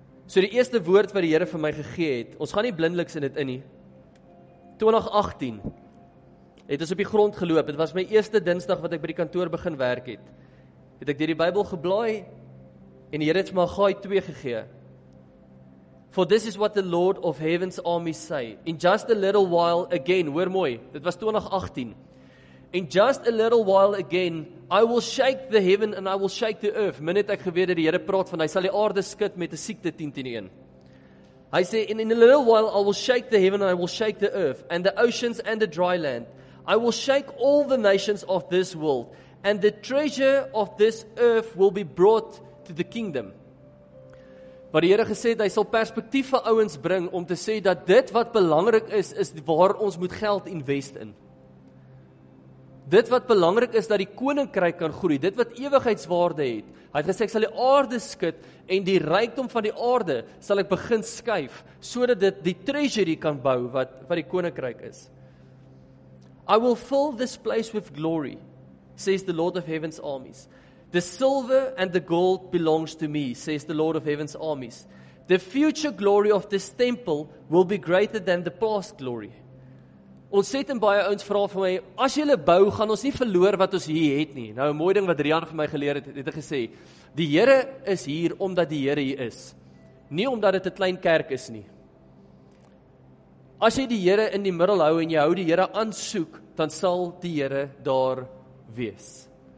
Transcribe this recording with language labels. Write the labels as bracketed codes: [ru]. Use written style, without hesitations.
[af] So die eerste woord wat die Here vir my gegee het, ons gaan nie blindeliks in dit in nie, 2018, het ons op die grond geloop, het was my eerste dinsdag wat ek by die kantoor begin werk het, het ek deur die Bybel geblaai, en die Here het vir my Haggai 2 gegee, [en] For this is what the Lord of Heaven's army say. In just a little while again, [af] hoor mooi, dit was 2018. [en] In just a little while again, I will shake the heaven and I will shake the earth. [af] Min het ek geweet dat die Here praat van, hy sal die aarde skud met 'n siekte 10-10-1. Hy sê, [en] in a little while I will shake the heaven and I will shake the earth and the oceans and the dry land. I will shake all the nations of this world and the treasure of this earth will be brought to the kingdom. [af] Wat die Here gesê het, hy sal perspektief vir ouens bring om te sê dat dit wat belangrik is, is waar ons moet geld invest in. Dit wat belangrik is, dat die koninkryk kan groei, dit wat ewigheidswaarde het, hy het gesê, ek sal die aarde skud, en die rykdom van die aarde, sal ek begin skuif, sodat dit die treasury kan bou, wat die koninkryk is. [en] I will fill this place with glory, says the Lord of Heaven's armies. The silver and the gold belongs to me, says the Lord of Heaven's armies. The future glory of this temple will be greater than the past glory. [af] Ons sê in baie ouens vra vir my, as jy bou, gaan ons nie verloor wat ons hier het nie. Nou, een mooi ding wat Rian vir my geleer het, het hy gesê, die Here is hier omdat die Here hier is. Nie omdat het 'n klein kerk is nie. As jy die Here in die middel hou en jy hou die Here aansoek, dan sal die Here daar wees.